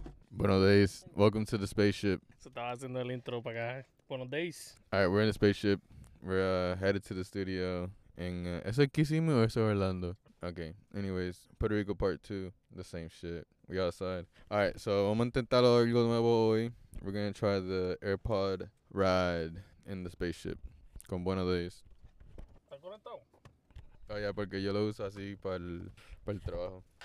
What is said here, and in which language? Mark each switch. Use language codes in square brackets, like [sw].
[en] Buenos days. Welcome to the spaceship. [es] So, estaba haciendo el intro para acá. Buenos days. [en] All right, we're in the spaceship. We're headed to the studio. [es] ¿Es el Kissimmee o es Orlando? [en] Okay, anyways, Puerto Rico part 2, the same shit. We outside. All right, so [es] vamos a intentar algo nuevo hoy. [en] We're going to try the AirPod ride in the spaceship. [es] Con buenos days. ¿Está conectado? [en] Oh, yeah, [es] porque yo lo uso así para el trabajo.